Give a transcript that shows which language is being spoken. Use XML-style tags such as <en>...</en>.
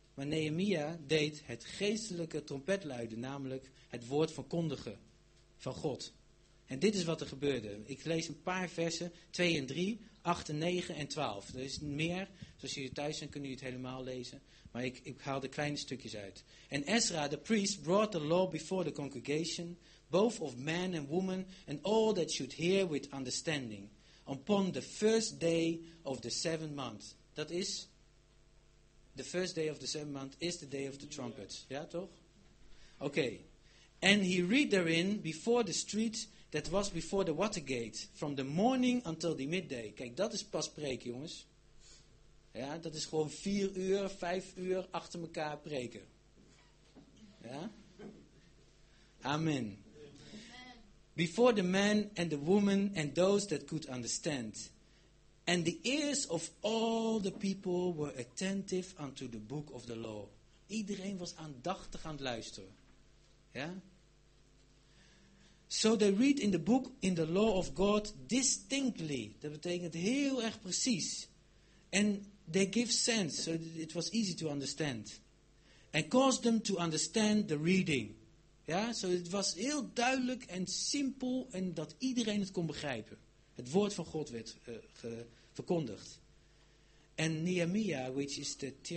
<nl>Maar Nehemia deed het geestelijke trompetluiden, namelijk het woord verkondigen van God. En dit is wat er gebeurde. Ik lees een paar versen, 2 en 3, 8 en 9 en 12. Er is meer, zoals jullie thuis zijn, kunnen jullie het helemaal lezen. Maar ik haal de kleine stukjes uit.</nl> <en>En Ezra, the priest, brought the law before the congregation, both of man and woman, and all that should hear with understanding, upon the first day of the seventh month.</en> <nl>Dat is,</nl> <en>the first day of the seventh month is the day of the trumpets.</en> <nl>Ja, toch?</nl> <en>Okay. And he read therein before the street that was before the water gate, from the morning until the midday.</en> <nl>Kijk, dat is pas preken, jongens. Ja, dat is gewoon 4 uur, 5 uur achter elkaar preken. Ja? Amen.</nl> <en>Before the man and the woman and those that could understand. And the ears of all the people were attentive unto the book of the law.</en> <nl>Iedereen was aandachtig aan het luisteren. Ja?</nl> <en>So they read in the book in the law of God distinctly.</en> <nl>Dat betekent heel erg precies.</nl> <en>And they give sense, so it was easy to understand. And caused them to understand the reading.</en> <nl>Ja,</nl> <en>so it was</en> <nl>heel duidelijk en simpel en dat iedereen het kon begrijpen. Het woord van God werd verkondigd.</nl> <en>And Nehemiah, which is the</en>